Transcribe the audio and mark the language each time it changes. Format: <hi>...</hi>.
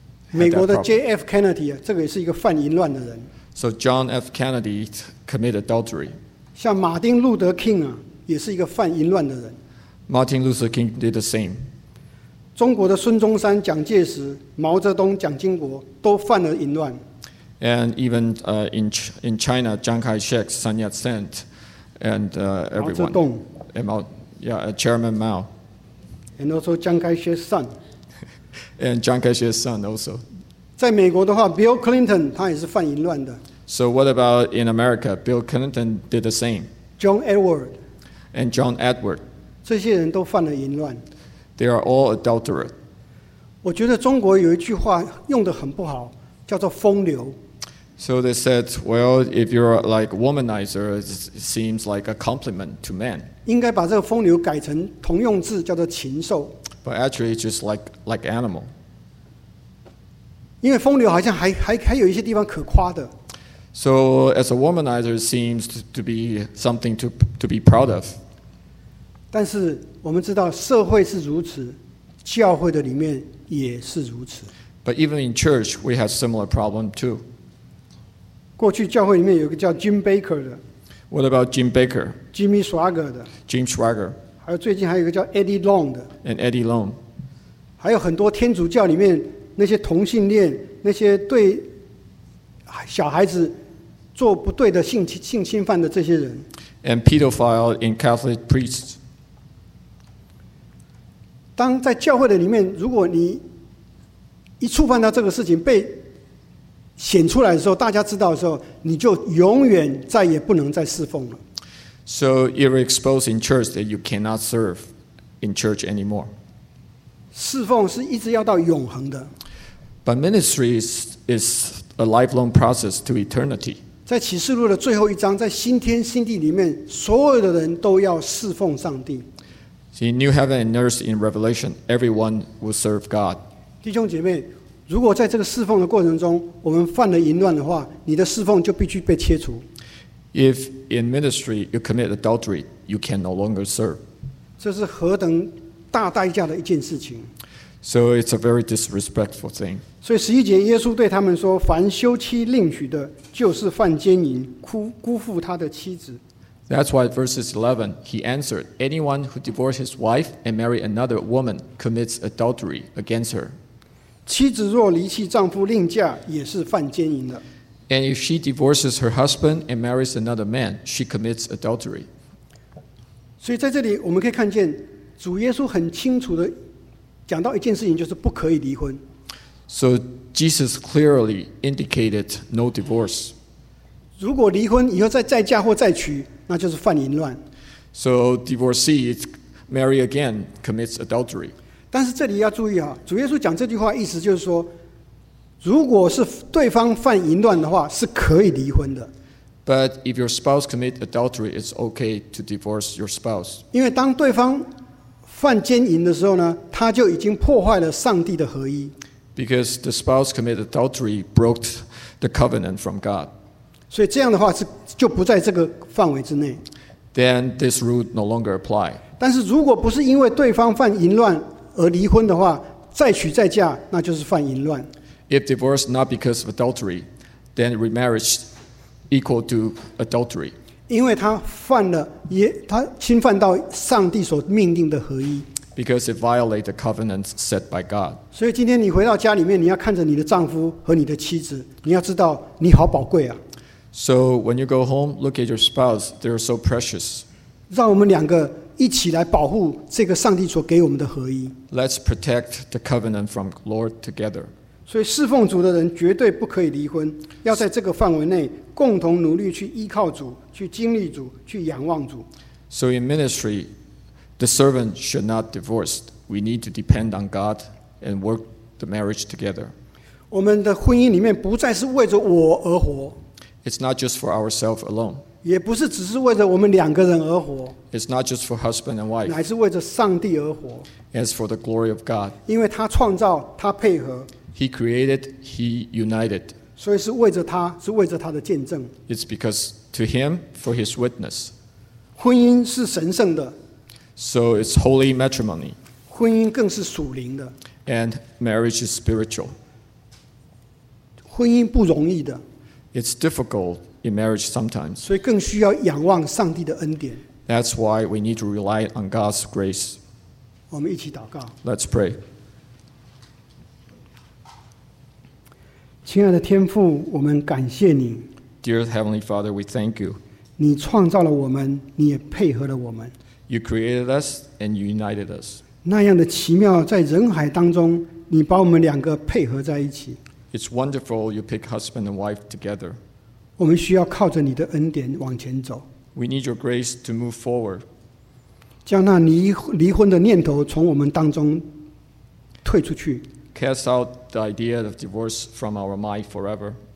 <zh>美国的 J.F. Kennedy, 这个也是一个犯淫乱的人。</zh> <en>So John F. Kennedy committed adultery.</en> <zh>像马丁路德 King 啊，也是一个犯淫乱的人。</zh> <en>Martin Luther King did the same.</en> <zh>中国的孙中山、蒋介石、毛泽东、蒋经国都犯了淫乱。</zh> <en>And even in China, Chiang Kai-shek, Sun Yat-sen, and everyone.</en> <zh>毛泽东。</zh> <en>Chairman Mao. And also Chiang Kai-shek's son. And Chiang Kai-shek's son also.</en> <zh>在美国的话 ，Bill Clinton 他也是犯淫乱的。</zh> <en>So what about in America? Bill Clinton did the same. John Edward. And John Edward.</en> <zh>这些人都犯了淫乱。</zh> <en>They are all adulterers.</en> <zh>我觉得中国有一句话用得很不好，叫做风流。</zh> <en>So they said, well, if you're like womanizer, it seems like a compliment to men.</en> <zh>应该把这个风流改成通用字，叫做禽兽。</zh> <en>But actually, it's just like animal.</en> <zh>因为风流好像 还有一些地方可夸的。</zh> <en>So as a womanizer seems to be something to be proud of.</en> <zh>但是我们知道社会是如此，教会的里面也是如此。</zh> <en>But even in church, we have similar problem too.</en> <zh>过去教会里面有一个叫 Jim Baker 的。</zh> <en>What about Jim Baker?</en> <zh>Jimmy Swagger 的。</zh> <en>Jim Swagger.</en> <zh>还有最近还有一个叫 Eddie Long 的。</zh> <en>And Eddie Long.</en> <zh>还有很多天主教里面。那些同性恋，那些对小孩子做不对的性侵犯的这些人</zh> <en>，and pedophile in Catholic priests，</en> <zh>当在教会的里面，如果你一触犯到这个事情被显出来的时候，大家知道的时候，你就永远再也不能再侍奉了。</zh> <en>So you're exposed in church that you cannot serve in church anymore.</en> <zh>侍奉是一直要到永恒的。</zh> <en>But ministry is a lifelong process to eternity.</en> <zh>在启示录的最后一章，在新天新地里面，所有的人都要侍奉上帝。</zh> <en>In new heaven and earth in Revelation, everyone will serve God.</en> <zh>弟兄姐妹，如果在这个侍奉的过程中，我们犯了淫乱的话，你的侍奉就必须被切除。</zh> <en>If in ministry you commit adultery, you can no longer serve.</en> <zh>这是何等大代价的一件事情。</zh> <en>So it's a very disrespectful thing.</en> <zh>所以十一节耶稣对他们说，凡休妻另娶的，就是犯奸淫，辜负他的妻子。</zh> <en>That's why verses 11, he answered, anyone who divorces his wife and marry another woman commits adultery against her.</en> <zh>妻子若离弃丈夫另嫁，也是犯奸淫的。</zh> <en>And if she divorces her husband and marries another man, she commits adultery.</en> <zh>所以在这里我们可以看见主耶稣很清楚地讲到一件事情，就是不可以离婚。</zh> <en>So Jesus clearly indicated no divorce.</en> <zh>如果离婚以后再嫁或再娶，那就是犯淫乱。</zh> <en>So divorcee marry again commits adultery.</en> <zh>但是这里要注意啊，主耶稣讲这句话意思就是说，如果是对方犯淫乱的话，是可以离婚的。</zh> <en>But if your spouse commit adultery, it's okay to divorce your spouse.</en> <zh>因为当对方犯奸淫的时候呢，他就已经破坏了上帝的合一。</zh> <en>Because the spouse commit adultery broke the covenant from God.</en> <zh>所以这样的话就不在这个范围之内。</zh> <en>Then this rule no longer apply.</en> <zh>但是如果不是因为对方犯淫乱而离婚的话，再娶再嫁那就是犯淫乱。</zh> <en>If divorce not because of adultery, then remarriage equal to adultery.</en> <zh>因为他犯了他侵犯到上帝所命定的合一。</zh> <en>Because it violates the covenant set by God.</en> <zh>所以今天你回到家里面，你要看着你的丈夫和你的妻子，你要知道你好宝贵啊。</zh> <en>So when you go home, look at your spouse. They are so precious.</en> <zh>让我们两个一起来保护这个上帝所给我们的合一。</zh> <en>Let's protect the covenant from the Lord together.</en> <zh>所以侍奉主的人绝对不可以离婚，要在这个范围内共同努力去依靠主，去经历主，去仰望主。</zh> <en>So in ministry, the servant should not divorce. We need to depend on God and work the marriage together.</en> <zh>我们的婚姻里面不再是为着我而活。</zh> <en>It's not just for ourselves alone.</en> <zh>也不是只是为着我们两个人而活。</zh> <en>It's not just for husband and wife.</en> <zh>乃是为着上帝而活。</zh> <en>It's for the glory of God.</en> <zh>因为他创造，他配合。</zh> <en>He created, he united.</en> <zh>所以是为着他，是为着他的见证。</zh> <en>It's because to him, for his witness.</en> <zh>婚姻是神圣的。</zh> <en>So it's holy matrimony.</en> <zh>婚姻更是属灵的。</zh> <en>And marriage is spiritual.</en> <zh>婚姻不容易的。</zh> <en>It's difficult in marriage sometimes.</en> <zh>所以更需要仰望上帝的恩典。</zh> <en>That's why we need to rely on God's grace.</en> <zh>我们一起祷告。</zh> <en>Let's pray.</en> <zh>亲爱的天父，我们感谢你。</zh> <en>Dear Heavenly Father, we thank you.</en> <zh>你创造了我们，你也配合了我们。</zh> <en>You created us and you united us.</en> <zh>那样的奇妙，在人海当中，你把我们两个配合在一起。</zh> <en>It's wonderful you pick husband and wife together.</en> <zh>我们需要靠着你的恩典往前走。</zh> <en>We need your grace to move forward.</en> <zh>将那离婚的念头从我们当中退出去。</zh> <en>Cast out the idea of divorce from our mind forever.</en>